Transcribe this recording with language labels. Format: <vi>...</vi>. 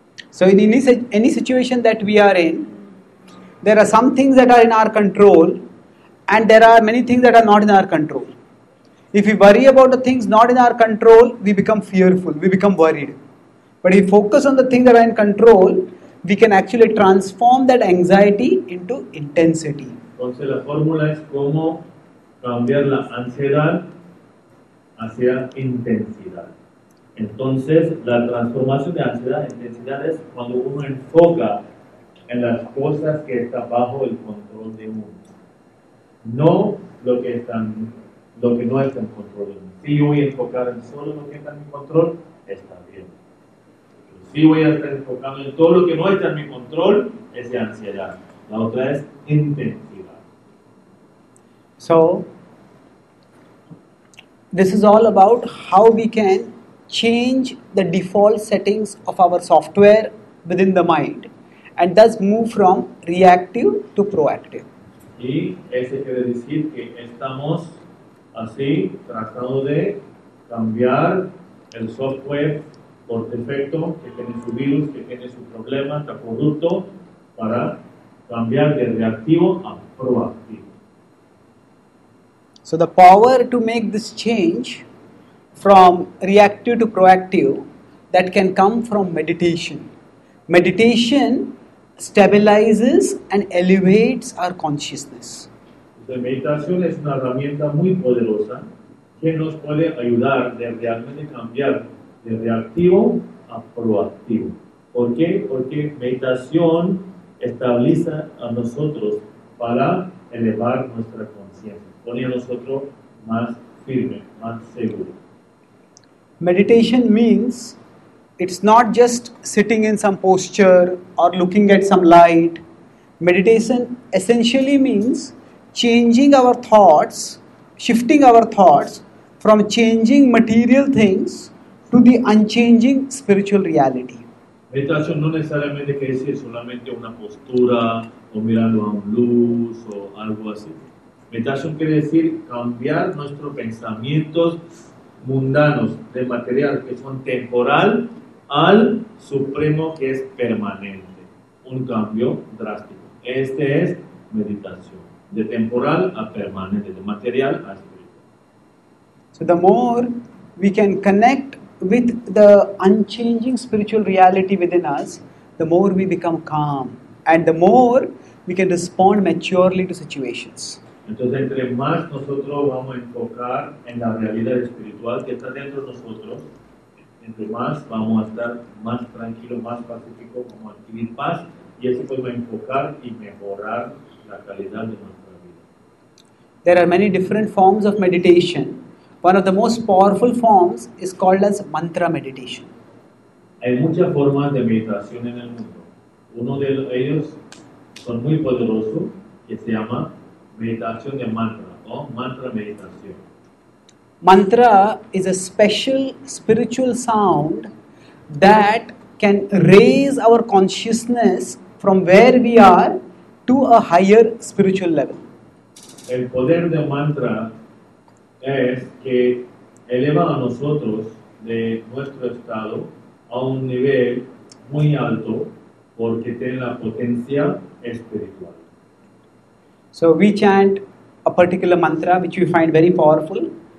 <en>So in any situation that we are in, there are some things that are in our control and there are many things that are not in our control. If we worry about the things not in our control, we become fearful, we become worried. But if we focus on the things that are in control, we can actually transform that anxiety into intensity.</en> <es>Entonces la fórmula es cómo cambiar la ansiedad hacia intensidad. Entonces, la transformación de ansiedad en intensidad es cuando uno enfoca en las cosas que están bajo el control de uno. No lo que están, lo que no está en control de uno. Si voy a enfocar en solo lo que está en mi control, está bien. Pero si voy a estar enfocando en todo lo que no está en mi control, es de ansiedad. La otra es intensidad.</es> <en>So, this is all about how we can change the default settings of our software within the mind and thus move from reactive to proactive.</en> <es>Y eso quiere decir que estamos así tratando de cambiar el software por defecto que tiene su virus, que tiene su problema, su producto, para cambiar de reactivo a proactivo.</es> <en>So the power to make this change from reactive to proactive, that can come from meditation. Meditation stabilizes and elevates our consciousness.</en> <es>La meditación es una herramienta muy poderosa que nos puede ayudar de realmente cambiar de reactivo a proactivo. ¿Por qué? Porque meditación estabiliza a nosotros para elevar nuestra conciencia, pone a nosotros más firme, más seguro.</es> <en>Meditation means it's not just sitting in some posture or looking at some light. Meditation essentially means changing our thoughts, shifting our thoughts from changing material things to the unchanging spiritual reality.</en> <es>Meditación no necesariamente quiere decir solamente una postura o mirando a un luz o algo así. Meditación quiere decir cambiar nuestros pensamientos mundanos, de material que son temporal, al supremo que es permanente. Un cambio drástico. Este es meditación. De temporal a permanente, de material a espiritual.</es> <en>So the more we can connect with the unchanging spiritual reality within us, the more we become calm. And the more we can respond maturely to situations.</en> <es>Entonces, entre más nosotros vamos a enfocar en la realidad espiritual que está dentro de nosotros, entre más vamos a estar más tranquilo, más pacífico, como adquirir paz, y eso podemos enfocar y mejorar la calidad de nuestra vida.</es> <en>There are many different forms of meditation. One of the most powerful forms is called as mantra meditation.</en> <es>Hay muchas formas de meditación en el mundo. Uno de ellos son muy poderosos, que se llama meditación de mantra, o mantra meditación.</es> <en>Mantra is a special spiritual sound that can raise our consciousness from where we are to a higher spiritual level.</en> <es>El poder de mantra es que eleva a nosotros de nuestro estado a un nivel muy alto porque tiene la potencia espiritual.</es> <en>So we chant a particular mantra which we find very powerful.</en>